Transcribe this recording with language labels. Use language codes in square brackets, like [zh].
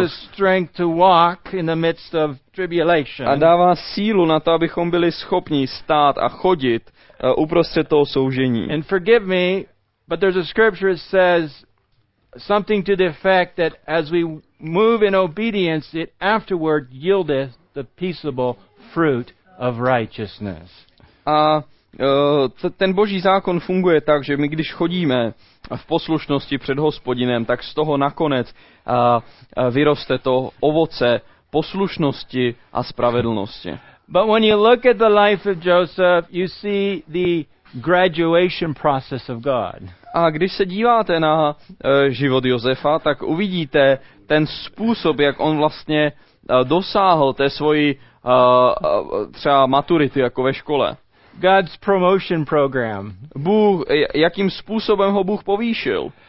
[en] He gives the strength to walk in the midst of tribulation. [cs] A dává sílu na to, abychom byli schopni stát a chodit uprostřed toho soužení. [en] And forgive me, but there's a scripture that says something to the effect that as we move in obedience, it afterward yieldeth the peaceable fruit of righteousness. [cs] A ten Boží zákon funguje tak, že my když chodíme v poslušnosti před Hospodinem, tak z toho nakonec vyroste to ovoce poslušnosti a spravedlnosti. [en] But when you look at the life of Joseph, you see the graduation process of God. [cs] A když se díváte na život Josefa, tak uvidíte ten způsob, jak on vlastně dosáhl té svojí třeba maturity jako ve škole. [en] God's promotion program. [cs] Bůh, jakým způsobem ho Bůh povýšil?